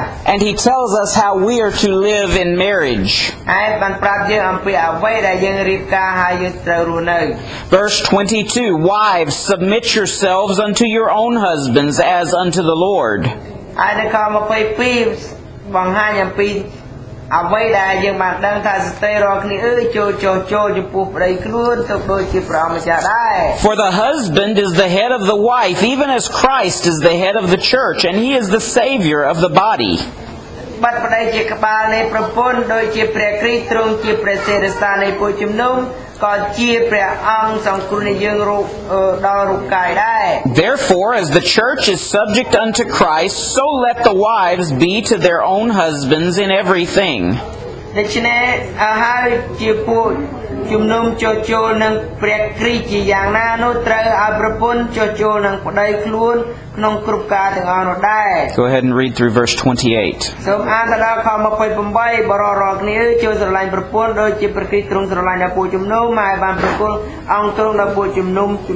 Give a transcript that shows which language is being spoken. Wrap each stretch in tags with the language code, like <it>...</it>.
<en>And he tells us how we are to live in marriage.</en> <km>ហើយបានប្រាប់យើងអំពីអ្វីដែលយើងរៀបការហើយយើងត្រូវរស់នៅ</km> <en>Verse 22 Wives, submit yourselves unto your own husbands as unto the Lord.</en> <km>ហើយនៅខ22បង្ហាញអំពីអ្វីដែលយើងបានដឹងថាស្ត្រីរាល់គ្នាអើយចូលចំពោះប្តីខ្លួនទៅដូចជាព្រះម្ចាស់ដែរ</km> <en>For the husband is the head of the wife even as Christ is the head of the church and he is the savior of the body</en> <km>បាត់ប្តីជាក្បាលនៃប្រពន្ធដូចជាព្រះគ្រីស្ទទ្រង់ជាព្រះសិរសានៃពួកជំនុំក៏ជាព្រះអង្គសង្គ្រោះនៃយើងរូបដល់រូបកាយដែរ</km> <en>Therefore as the church is subject unto Christ so let the wives be to their own husbands in everything</en> <km>ដូច្នេះអហើយជាពួកជំនុំចុះចូលនឹងព្រះគ្រីស្ទជាយ៉ាងណានោះត្រូវឲ្យប្រពន្ធចុះចូលនឹងប្តីខ្លួនក្នុងគ្រប់ការទាំងអស់នោះដែរ</km> <en>Go ahead and read through verse 28</en> <km>សូមអានដល់ខ28បរិយរាល់គ្នាចូលស្រឡាញ់ប្រពន្ធដោយជាព្រះគ្រីស្ទទ្រង់ស្រឡាញ់ដល់ពួកជំនុំហើយបានប្រគល់អង្គទ្រង់ដល់ពួកជំនុំ</km>